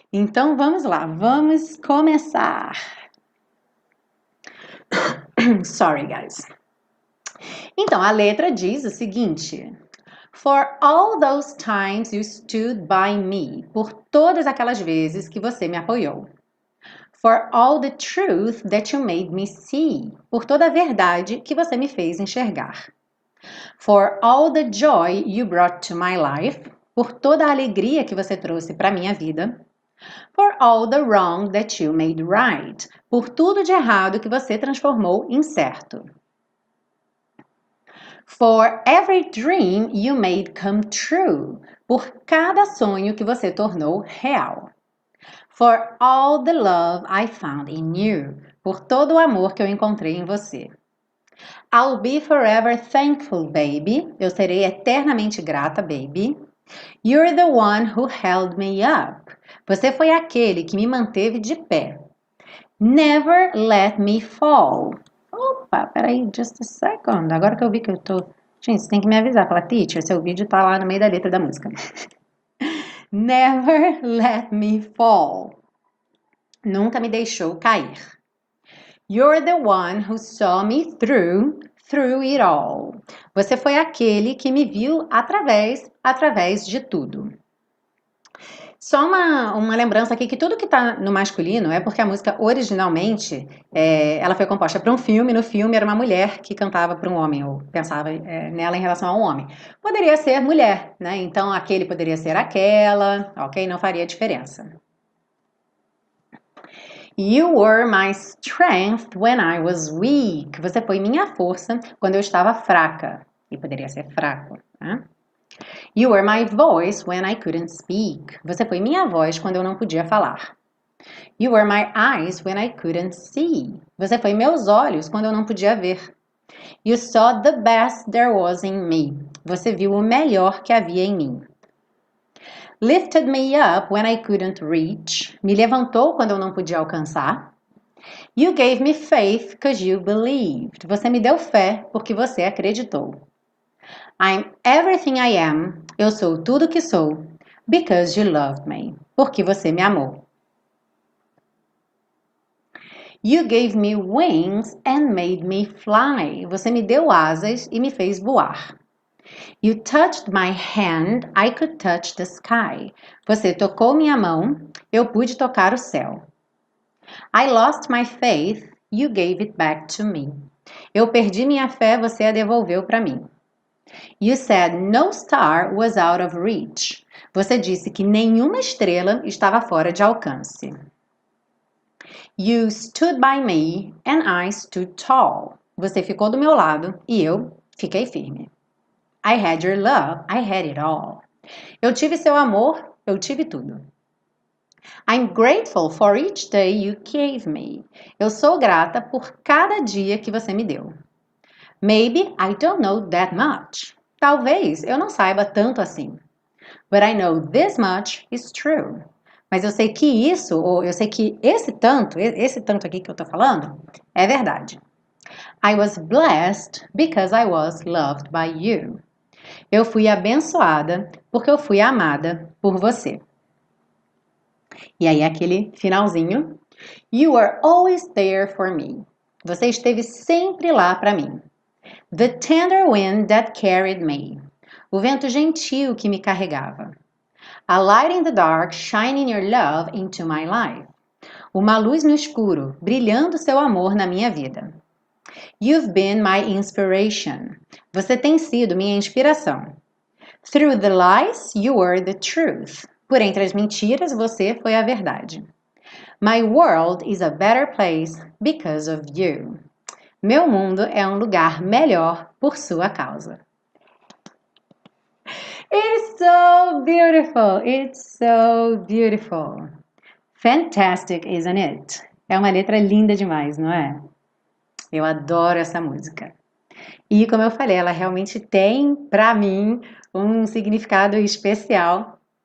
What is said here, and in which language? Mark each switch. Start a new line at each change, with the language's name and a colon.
Portuguese: Então vamos lá, vamos começar.
English: Sorry, guys.
Portuguese: Então a letra diz o seguinte:
English: For all those times you stood by me.
Portuguese: Por todas aquelas vezes que você me apoiou.
English: For all the truth that you made me see.
Portuguese: Por toda a verdade que você me fez enxergar.
English: For all the joy you brought to my life,
Portuguese: por toda a alegria que você trouxe para minha vida,
English: For all the wrong that you made right.
Portuguese: Por tudo de errado que você transformou em certo.
English: For every dream you made come true.
Portuguese: Por cada sonho que você tornou real.
English: For all the love I found in you.
Portuguese: Por todo o amor que eu encontrei em você.
English: I'll be forever thankful, baby.
Portuguese: Eu serei eternamente grata, baby.
English: You're the one who held me up.
Portuguese: Você foi aquele que me manteve de pé.
English: Never let me fall.
Portuguese: Opa, peraí,
English: just a second.
Portuguese: Agora que eu vi que eu tô. Gente, você tem que me avisar, fala, teacher, seu vídeo tá lá no meio da letra da música.
English: Never let me fall.
Portuguese: Nunca me deixou cair.
English: You're the one who saw me through it all.
Portuguese: Você foi aquele que me viu através de tudo. Só uma lembrança aqui que tudo que tá no masculino é porque a música originalmente ela foi composta para um filme. No filme era uma mulher que cantava para um homem, ou pensava nela em relação a um homem. Poderia ser mulher, né? Então aquele poderia ser aquela, ok? Não faria diferença.
English: You were my strength when I was weak.
Portuguese: Você foi minha força quando eu estava fraca. E poderia ser fraco, né?
English: You were my voice when I couldn't speak.
Portuguese: Você foi minha voz quando eu não podia falar.
English: You were my eyes when I couldn't see.
Portuguese: Você foi meus olhos quando eu não podia ver.
English: You saw the best there was in me.
Portuguese: Você viu o melhor que havia em mim.
English: Lifted me up when I couldn't reach.
Portuguese: Me levantou quando eu não podia alcançar.
English: You gave me faith because you believed.
Portuguese: Você me deu fé porque você acreditou.
English: I'm everything I am.
Portuguese: Eu sou tudo que sou.
English: Because you loved me.
Portuguese: Porque você me amou.
English: You gave me wings and made me fly.
Portuguese: Você me deu asas e me fez voar.
English: You touched my hand, I could touch the sky.
Portuguese: Você tocou minha mão, eu pude tocar o céu.
English: I lost my faith, you gave it back to me.
Portuguese: Eu perdi minha fé, você a devolveu para mim.
English: You said no star was out of reach.
Portuguese: Você disse que nenhuma estrela estava fora de alcance.
English: You stood by me and I stood tall.
Portuguese: Você ficou do meu lado e eu fiquei firme.
English: I had your love, I had it all.
Portuguese: Eu tive seu amor, eu tive tudo.
English: I'm grateful for each day you gave me.
Portuguese: Eu sou grata por cada dia que você me deu.
English: Maybe I don't know that much.
Portuguese: Talvez eu não saiba tanto assim.
English: But I know this much is true.
Portuguese: Mas eu sei que isso, ou eu sei que esse tanto aqui que eu tô falando, é verdade.
English: I was blessed because I was loved by you.
Portuguese: Eu fui abençoada porque eu fui amada por você. E aí aquele finalzinho.
English: You are always there for me.
Portuguese: Você esteve sempre lá para mim.
English: The tender wind that carried me.
Portuguese: O vento gentil que me carregava.
English: A light in the dark shining your love into my life.
Portuguese: Uma luz no escuro brilhando seu amor na minha vida.
English: You've been my inspiration.
Portuguese: Você tem sido minha inspiração.
English: Through the lies, you were the truth.
Portuguese: Por entre as mentiras, você foi a verdade.
English: My world is a better place because of you.
Portuguese: Meu mundo é um lugar melhor por sua causa.
English: It's so beautiful. It's so beautiful. Fantastic, isn't it?
Portuguese: É uma letra linda demais, não é? Eu adoro essa música. E como eu falei, ela realmente tem, para mim, um significado especial.